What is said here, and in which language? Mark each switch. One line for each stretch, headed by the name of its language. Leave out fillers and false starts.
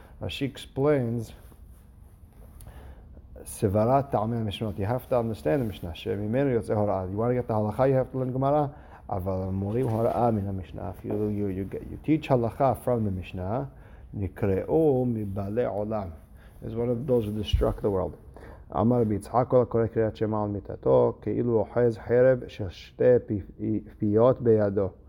English: Rashi explains,
Hebrew: סברת טעמי המשנות,
English: you have to understand the
Hebrew: משנה, שממנו יוצא הוראה.
English: You want to get the הלכה, you have to learn גמרא.
Hebrew: אבל מורים הוראה מן המשנה,
English: אפילו you teach הלכה from the משנה,
Hebrew: נקראו מבעלי עולם.
English: It's one of those who destruct the world.
Hebrew: אמר ביצחק כל הקורא קריאת שמע על מיטתו, כאילו אוחז חרב של שתי פיות בידו.